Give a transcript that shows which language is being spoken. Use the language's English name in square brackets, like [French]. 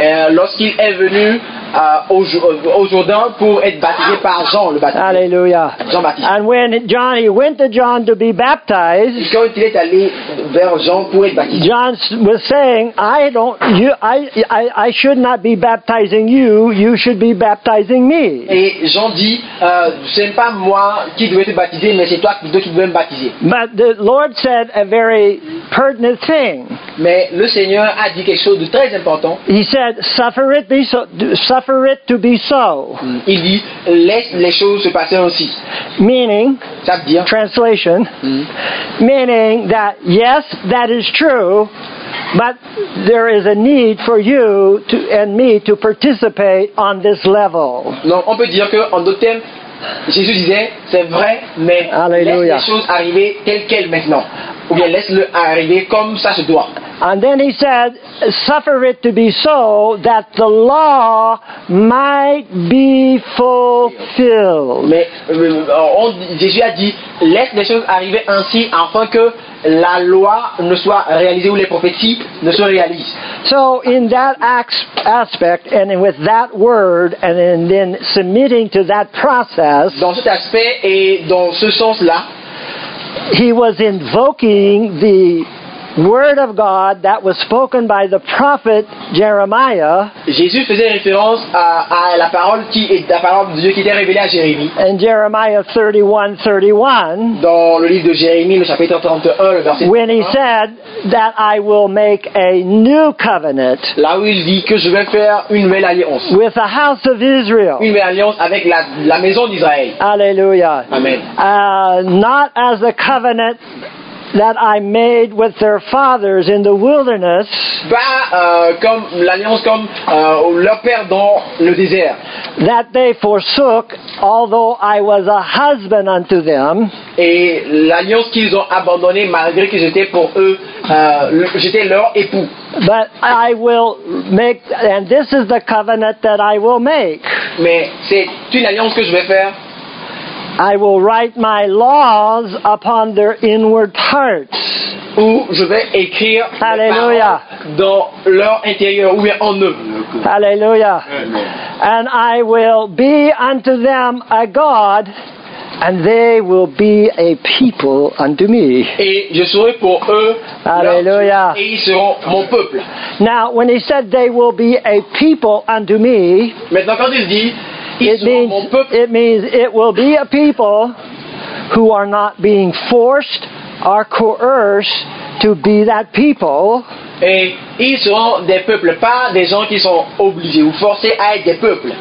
[French] Lorsqu'il est venu au Jourdain pour être baptisé par Jean le Baptiste. Alléluia. Jean Baptiste. [English] And when John he went to John to be baptized. [French] Et quand il est allé vers Jean pour être baptisé. [English] John was saying, I should not be baptizing you. You should be baptizing me. [French] Et Jean dit, ce n'est pas moi qui devais te baptiser, mais c'est toi qui devais me baptiser. [English] But the Lord said a very pertinent thing. [French] Mais le Seigneur a dit quelque chose de très important. [English] He said, suffer it to be so. [French] Il dit, laisse les choses se passer ainsi. [English] Meaning, [French] ça veut dire, [English] translation, meaning that yes, that is true. But there is a need for you to, and me to participate on this level. [French] Non, on peut dire que en d'autres termes, Jésus disait, c'est vrai, mais Alleluia. Laisse les choses arriver telles quelles maintenant, ou bien laisse-le arriver comme ça se doit. [English] And then he said, suffer it to be so that the law might be fulfilled. [French] Mais Jésus a dit, laisse les choses arriver ainsi afin que la loi ne soit réalisée ou les prophéties ne se réalisent. [English] So in that aspect and with that word and then submitting to that process. [French] Dans cet aspect et dans ce sens-là, [English] he was invoking the word of God that was spoken by the prophet Jeremiah. [French] Jésus faisait référence à la parole qui est la parole de Dieu qui était révélée à Jérémie. [English] In Jeremiah 31:31. [French] Dans le livre de Jérémie, le chapitre 31, le verset. [English] When he said that I will make a new covenant. [French] Là où il dit que je vais faire une nouvelle alliance. [English] With the house of Israel. [French] Une nouvelle alliance avec la maison d'Israël. Alléluia. Amen. [English] Not as a covenant that I made with their fathers in the wilderness. [French] Pas comme l'alliance comme leur père dans le désert. [English] That they forsook, although I was a husband unto them. [French] Et l'alliance qu'ils ont abandonnée malgré que j'étais pour eux, j'étais leur époux. [English] But I will make, and this is the covenant that I will make. [French] Mais c'est une alliance que je vais faire. [English] I will write my laws upon their inward parts. [French] Où je vais écrire [English] Hallelujah. [French] Dans leur intérieur ou en eux. [English] Hallelujah. Amen. And I will be unto them a God, and they will be a people unto me. [French] Et je serai pour eux [English] Hallelujah. [French] Leur Dieu, et ils seront mon peuple. [English] Now, when he said they will be a people unto me, [French] maintenant quand il dit [English] It means it will be a people who are not being forced or coerced to be that people. [French] Et ils seront des peuples, pas des gens qui sont obligés ou forcés à être des peuples.